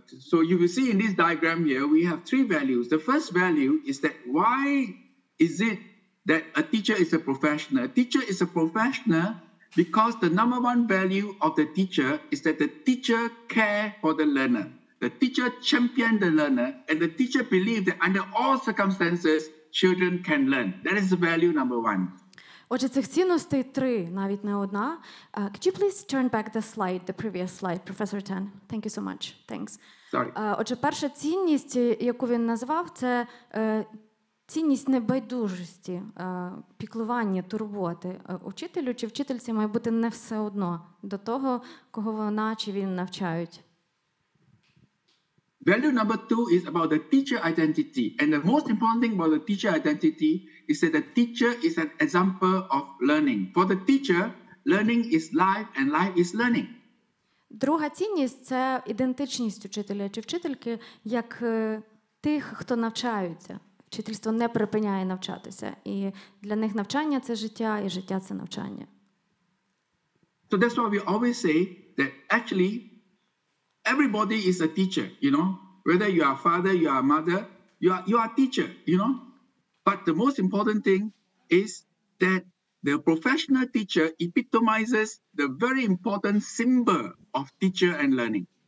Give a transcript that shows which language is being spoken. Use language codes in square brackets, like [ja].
[en] So you will see in this diagram here, we have three values. The first value is that why is it that a teacher is a professional? A teacher is a professional because the number one value of the teacher is that the teacher care for the learner. The teacher champion the learner, and the teacher believe that under all circumstances, children can learn. That is the value number one. [uk] Отже, цих цінностей три, навіть не одна. [en] Could you please turn back the slide, the previous slide, Professor Tan? Thank you so much. Thanks. Sorry. [uk] Отже, перша цінність, яку він назвав, це цінність небайдужості, піклування, турботи учителю чи вчительці має бути не все одно до того, кого вона чи він навчають. [en] Value number two is about the teacher identity. And the most important thing about the teacher identity is that the teacher is an example of learning. For the teacher, learning is life and life is learning. [uk] Друга цінність – це ідентичність учителя чи вчительки як тих, хто навчається. Вчительство не припиняє навчатися. І для них навчання – це життя, і життя – це навчання. [en] So that's why we always say that actually everybody is a teacher, you know. Whether you are father, you are mother, you are a teacher, you know. But the most important thing is that the professional teacher epitomizes the very important symbol of teacher and learning.